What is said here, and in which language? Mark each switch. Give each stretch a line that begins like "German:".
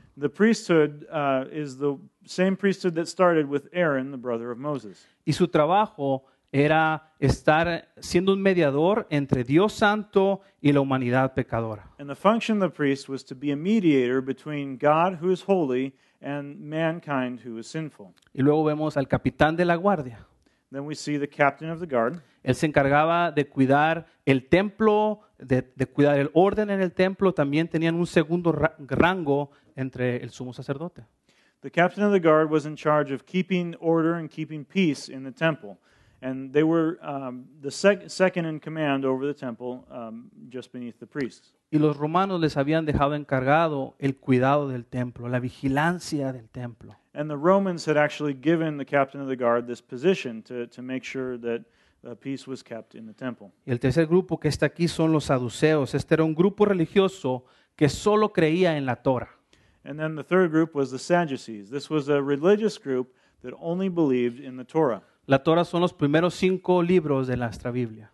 English: The priesthood is the same priesthood that started with Aaron, the brother of Moses.
Spanish: Y su trabajo era estar siendo un mediador entre Dios Santo y la humanidad pecadora.
English: And the function of the priest was to be a mediator between God, who is holy, and mankind, who is sinful.
Spanish: Y luego vemos al capitán de la guardia.
English: Then we see the captain of the guard.
Spanish: Él se encargaba de cuidar el templo, de cuidar el orden en el templo. También tenían un segundo rango entre el sumo sacerdote.
English: The captain of the guard was in charge of keeping order and keeping peace in the temple. And they were second in command over the temple, just beneath the priests.
Spanish: Y los romanos les habían dejado encargado el cuidado del templo, la vigilancia del templo.
English: And the Romans had actually given the captain of the guard this position to make sure that peace was kept in the temple.
Spanish: Y el tercer grupo que está aquí son los saduceos. Este era un grupo religioso que solo creía en la Torah.
English: And then the third group was the Sadducees. This was a religious group that only believed in the Torah.
Spanish: La Torah son los primeros cinco libros de nuestra Biblia.